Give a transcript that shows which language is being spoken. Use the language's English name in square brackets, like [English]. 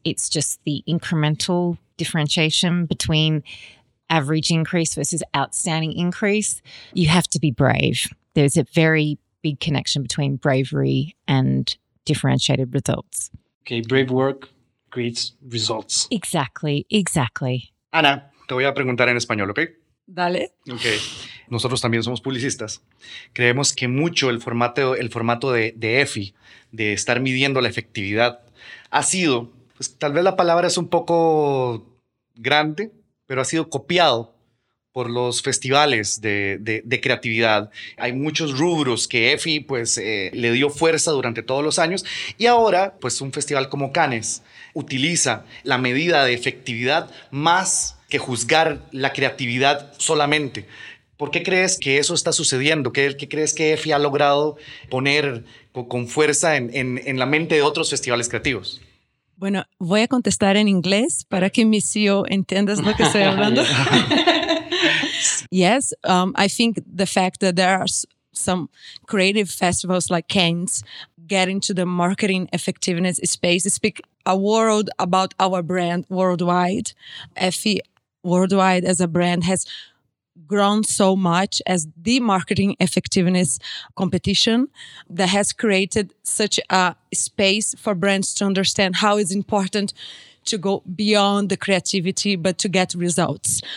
[English] It's just the incremental differentiation between average increase versus outstanding increase. You have to be brave. There's a very big connection between bravery and differentiated results. Okay, brave work creates results. Exactly. [Spanish] Ana, te voy a preguntar en español, ¿ok? Dale. Ok. Nosotros también somos publicistas. Creemos que mucho el formato de EFI, de estar midiendo la efectividad, ha sido, pues tal vez la palabra es un poco grande, pero ha sido copiado por los festivales de creatividad. Hay muchos rubros que EFI pues le dio fuerza durante todos los años y ahora pues un festival como Cannes utiliza la medida de efectividad más que juzgar la creatividad solamente. ¿Por qué crees que eso está sucediendo? ¿Qué crees que EFI ha logrado poner con fuerza en la mente de otros festivales creativos? Bueno, voy a contestar en inglés para que mi CEO entiendas lo que estoy hablando. [English] Yes, I think the fact that there are some creative festivals like Cannes getting to the marketing effectiveness space speak a world about our brand worldwide. EFI Worldwide as a brand has grown so much as the marketing effectiveness competition that has created such a space for brands to understand how it's important to go beyond the creativity, but to get results.